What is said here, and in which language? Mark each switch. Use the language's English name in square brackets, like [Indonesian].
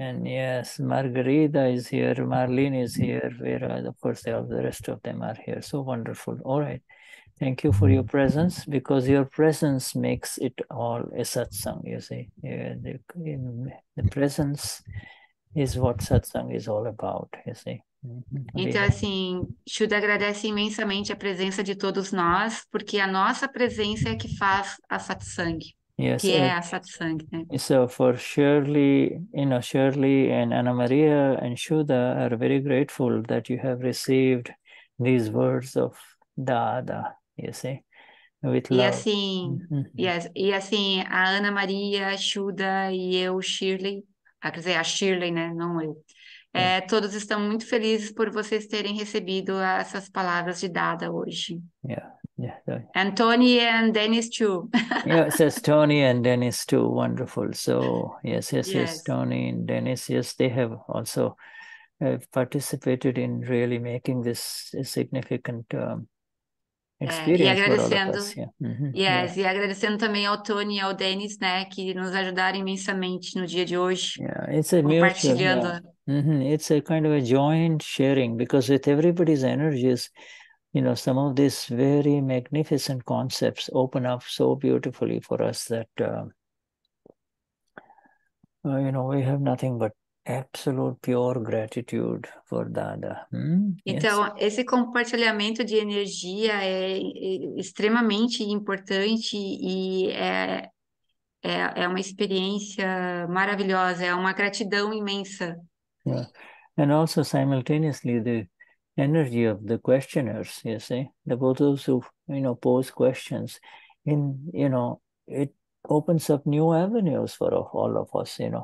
[English] And yes, Margarita is here, Marlene is here, Vera, of course, all the rest of them are here. So wonderful. All right. Thank you for your presence, because your presence makes it all a satsang, you see. The presence is what satsang is all about, you see. [Portuguese] Então, assim, Shuddha agradece imensamente a presença de todos nós, porque a nossa presença é que faz a satsang, que é a satsang, né? [English] So for Shirley, Shirley and Ana Maria and Shuddha are very grateful that you have received these words of Dada, you see, with [Portuguese] E [English] love. [Portuguese] assim, a Ana Maria, Shuddha e eu, Shirley, quer dizer, a Shirley, né, não eu. É, todos estão muito felizes por vocês terem recebido essas palavras de Dada hoje. [English] Anthony and Dennis too. Yeah, it says Tony and Dennis too. Wonderful. So yes, Tony and Dennis. Yes, they have also participated in really making this a significant experience [Portuguese] E [English] for all of us. [Portuguese] E agradecendo também ao Tony e ao Dennis, né, que nos ajudaram imensamente no dia de hoje. [English] Yeah, it's a mutual. [Portuguese] Compartilhando. [English] It's a kind of a joint sharing, because with everybody's energies, some of these very magnificent concepts open up so beautifully for us that, we have nothing but absolute pure gratitude for Dada. [Portuguese] Então, esse compartilhamento de energia é extremamente importante e é uma experiência maravilhosa, é uma gratidão imensa. [English] Yeah. And also simultaneously, the energy of the questioners, you see, the both those who pose questions, it opens up new avenues for all of us,